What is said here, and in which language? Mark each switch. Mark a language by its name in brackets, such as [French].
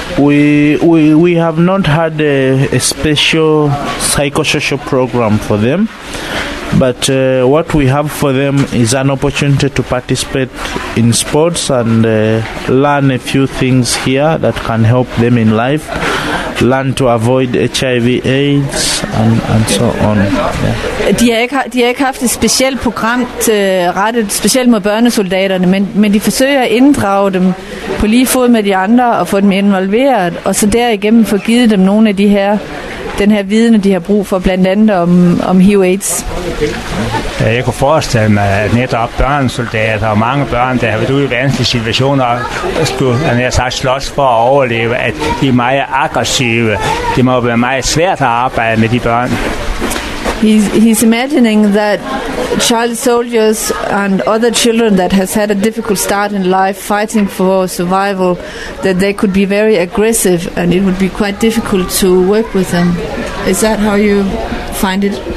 [English] We have not had a special psychosocial program for them, but what we have for them is an opportunity to participate in sports and learn a few things here that can help them in life, learn to avoid HIV/AIDS and so on. Yeah. [Danish] De har ikke haft et specielt program rettet specielt mod børnesoldaterne, men de forsøger at inddrage dem på lige fod med de andre og få dem involveret, og så derigennem få givet dem nogle af den her viden, de har brug for, blandt andet om HIV/AIDS. Ja, jeg kunne forestille mig, at netop børnesoldater og mange børn, der har været ude i vanskelige situationer, slås for at overleve, at de er meget aggressive. Det må være meget svært at arbejde med de børn. [English] He's imagining that child soldiers and other children that has had a difficult start in life fighting for survival, that they could be very aggressive and it would be quite difficult to work with them. Is that how you find it?